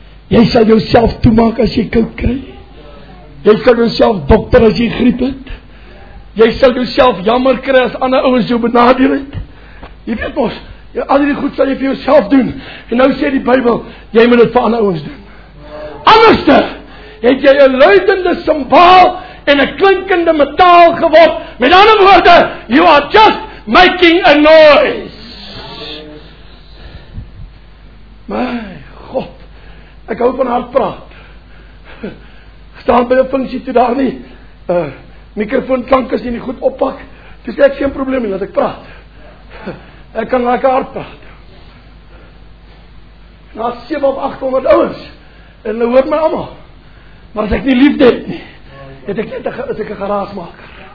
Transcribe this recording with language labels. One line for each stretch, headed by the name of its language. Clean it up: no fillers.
Afrikaans: Jy sal jou self toemaak as jy koud kry. Jy sal jou self dokter as jy griep het. Jy sal jou self jammer kry as ander ouwens jou benadeel het. Jy weet ons, ja, al die goed sal jy vir jouself doen. En nou sê die Bybel, jy moet het vir ander ouwens doen. Anderste, het jy een luidende simbaal en een klinkende metaal geword. Met ander woorde,
English: you are just making a noise.
Afrikaans: My God, ek hou van hart praat. Staan by die funksie toe daar nie. Mikrofoon klank is nie goed oppak. Dis ek geen probleem nie, dat ek praat. Ek kan lekker hard praat. Na 7 of 800 ouwens, en hulle hoort my allemaal, maar as ek nie liefde het nie, het ek net, is ek een geraasmaker.